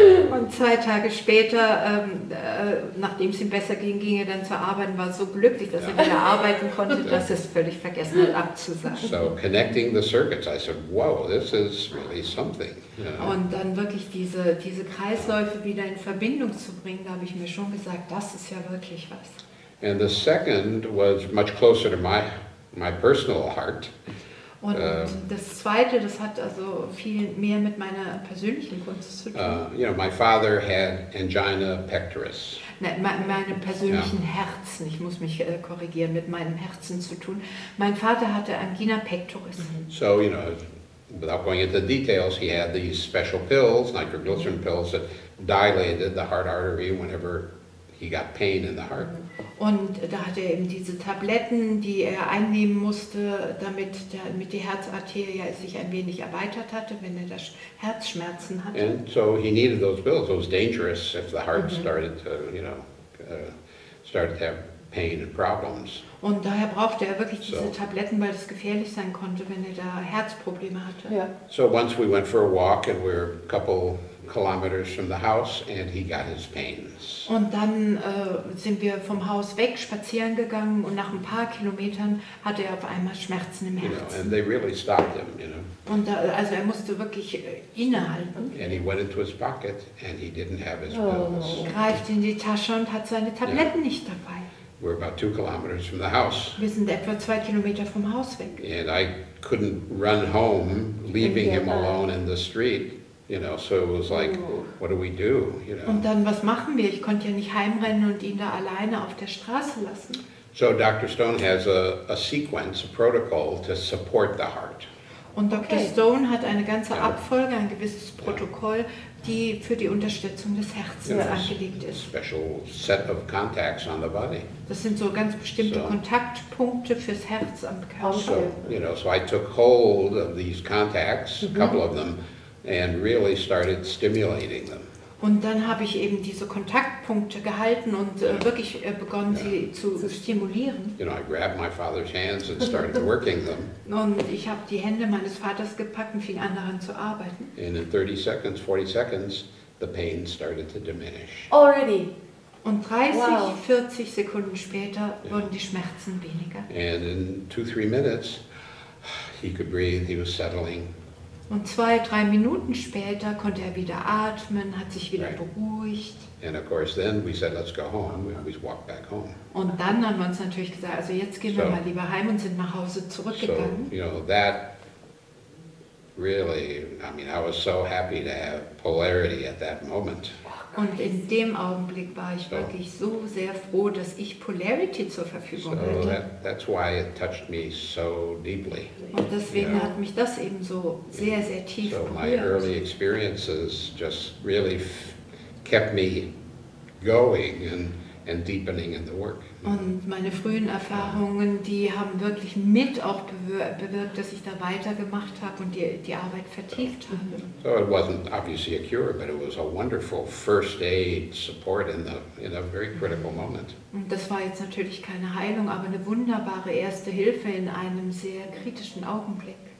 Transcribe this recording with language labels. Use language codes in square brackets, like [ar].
[de] Und 2 Tage später, nachdem es ihm besser ging, ging er dann zur Arbeit und war so glücklich, dass er wieder arbeiten konnte, dass er es völlig vergessen hat abzusagen. [en] So connecting the circuits, I said, whoa, this is really something. [de] Und dann wirklich diese Kreisläufe wieder in Verbindung zu bringen, da habe ich mir schon gesagt, das ist ja wirklich was. [en] And the second was much closer to my personal heart. [de] Und das zweite, das hat also viel mehr mit meiner persönlichen Kunst zu tun. [en] My father had angina pectoris. [de] Meinem persönlichen Herzen, ich muss mich korrigieren, mit meinem Herzen zu tun. Mein Vater hatte angina pectoris. [en] So, you know, without going into the details, he had these special pills, nitroglycerin pills, that dilated the heart artery whenever he got pain in the heart. [de] Und da hatte er eben diese Tabletten, die er einnehmen musste, damit die Herzarterie sich ein wenig erweitert hatte, wenn er das Herzschmerzen hatte. [en] And so he needed those pills. It was dangerous if the heart started to, you know, started to have pain and problems. [de] Und daher brauchte er wirklich diese Tabletten, weil es gefährlich sein konnte, wenn er da Herzprobleme hatte. [en] So once we went for a walk and we're a couple kilometers from the house and he got his pains. [de] Und dann sind wir vom Haus weg spazieren gegangen und nach ein paar Kilometern hatte er auf einmal Schmerzen im Herzen. [en] You know, and they really stopped him, you know. [de] Und da, also er musste wirklich innehalten. [en] And he went into his pocket and he didn't have his pills. [de] Er greift in die Tasche und hat seine Tabletten nicht dabei. [en] We're about 2 kilometers from the house. [de] Wir sind etwa 2 Kilometer vom Haus weg. [en] And I couldn't run home, leaving him alone in the street. You know, so it was like, what do we do? You know. [de] Und dann, was machen wir? Ich konnte ja nicht heimrennen und ihn da alleine auf der Straße lassen. [en] So Dr. Stone has a sequence, a protocol to support the heart. [de] Und Dr. Stone hat eine ganze Abfolge, ein gewisses Protokoll, die für die Unterstützung des Herzens angelegt ist. [en] Special set of contacts on the body. [de] Das sind so ganz bestimmte Kontaktpunkte fürs Herz am Körper. [en] So, you know, so I took hold of these contacts, a couple of them, and really started stimulating them. [de] Und dann habe ich eben diese Kontaktpunkte gehalten und wirklich begonnen, sie zu stimulieren. [en] You know, I grabbed my father's hands and started working them. [de] Und ich habe die Hände meines Vaters gepackt und fing an, daran zu arbeiten. [en] And in 30 seconds, 40 seconds, the pain started to diminish. Already. [de] Und 30, 40 Sekunden später wurden die Schmerzen weniger. [en] And in 2, 3 minutes, he could breathe, he was settling. [de] Und 2, 3 Minuten später konnte er wieder atmen, hat sich wieder beruhigt. [en] And of course then we said, let's go home. We always walked back home. [de] Und dann haben wir uns natürlich gesagt, also jetzt gehen wir mal lieber heim und sind nach Hause zurückgegangen. [en] So, you know, that really, I mean, I was so happy to have polarity at that moment. [de] Und in dem Augenblick war ich wirklich so sehr froh, dass ich Polarity zur Verfügung hatte. [en] That's why it touched me so deeply. [de] Und deswegen hat mich das eben so sehr, sehr tief berührt. [en] So my early experiences just really kept me going and deepening in the work. [de] Und meine frühen Erfahrungen, die haben wirklich mit auch bewirkt, dass ich da weitergemacht habe und die Arbeit vertieft habe. [en] So it wasn't obviously a cure, but it was a wonderful first aid support in a very critical moment. [de] Und das war jetzt natürlich keine Heilung, aber eine wunderbare erste Hilfe in einem sehr kritischen Augenblick.